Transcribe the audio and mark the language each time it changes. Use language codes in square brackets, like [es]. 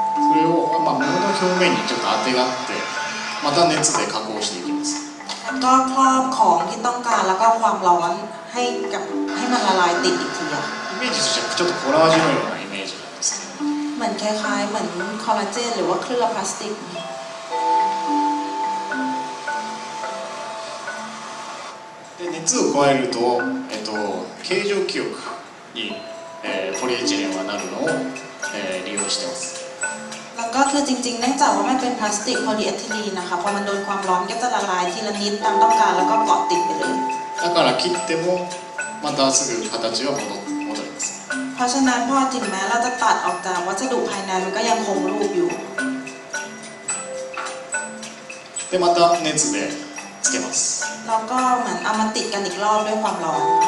[ja] これを、まあ、物の表面にちょっと当てがってまた熱で加工していきます。 [th] ก็ครอบของที่ต้องการแล้วก็ความร้อนให้กับให้มันละลายติดอีกทีอ่ะ [ja] イメージとしてはちょっとコラージュのようなイメージなんですけど、 [th] เหมือนคล้ายๆเหมือนคอลลาเจนหรือว่าเคลือบพลาสติก [ja] で熱を加えると形状記憶にポリエチレンはなるのを利用してます。 [th] แล้วก็คือจริงๆเนื่องจากว่าไม่เป็นพลาสติกโพลีเอทิลีนนะคะพอมันโดนความร้อนก็จะละลายทีละนิดตามต้องการแล้วก็เกาะติดไปเลย [ja] だから切ってもまたすぐ形は戻ります。 [th] เพราะฉะนั้นพอถึงแม้เราจะตัดออกจากวัสดุภายในมันก็ยังคงรูปอยู่ [ja] でまた熱でつけます。 [th] แล้วก็เหมือนเอามาติดกันอีกรอบด้วยความร้อน